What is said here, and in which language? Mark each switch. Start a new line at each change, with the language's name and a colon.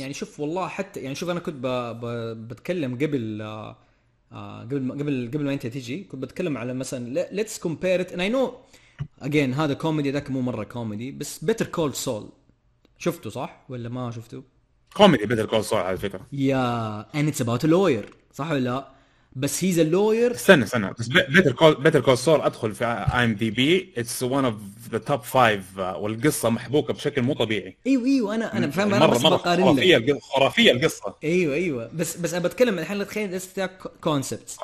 Arabic: يعني شوف والله حتى يعني شوف انا كنت بتكلم قبل قبل ما انت تيجي كنت بتكلم على مثلا
English: let's compare it and I know again
Arabic: هذا كوميدي ذاك مو مرة كوميدي بس Better Call Saul شفته صح ولا ما شفته؟ كوميدي Better Call Saul على فكرة.
English: Yeah and it's about a lawyer
Arabic: صح ولا لا؟
English: بس he's a lawyer.
Arabic: استنى بس Better Call Saul أدخل في IMDb
English: it's one of the top five
Arabic: والقصة محبوكة بشكل مو طبيعي. أيوة أنا فاهم أنا بس بقارن لك خرافية القصة. أيوة بس بتكلم الحين تخيل
English: this is a concept.